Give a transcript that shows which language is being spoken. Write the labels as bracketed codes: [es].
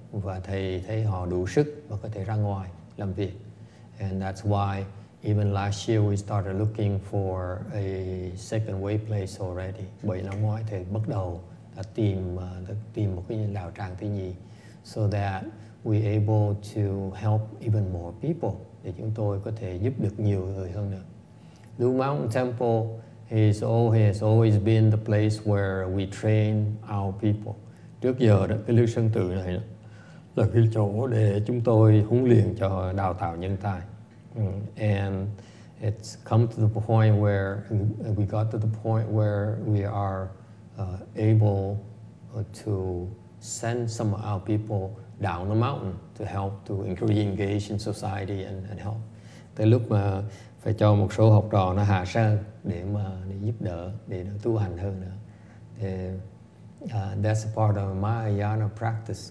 [vi] Và thầy thấy họ đủ sức và có thể ra ngoài làm việc. [en] And that's why even last year we started looking for a second way place already. [vi] Bởi năm ngoái thầy bắt đầu tìm một cái đạo tràng thứ nhì, [en] so that we able to help even more people. [vi] Để chúng tôi có thể giúp được nhiều người hơn nữa. [en] Lu Mountain Temple has always been the place where we train our people. [vi] Trước giờ đó, cái Lưu Sơn Tự này đó, là cái chỗ để chúng tôi huấn luyện cho đào tạo nhân tài. [en] And it's come to the point where we got to the point where we are able to send some of our people down the mountain to help to increase engagement in society and help. [vi] Tới lúc mà phải cho một số học trò nó hạ sơn để mà để giúp đỡ, để nó tu hành hơn nữa. [en] Thì, that's a part of Mahayana practice.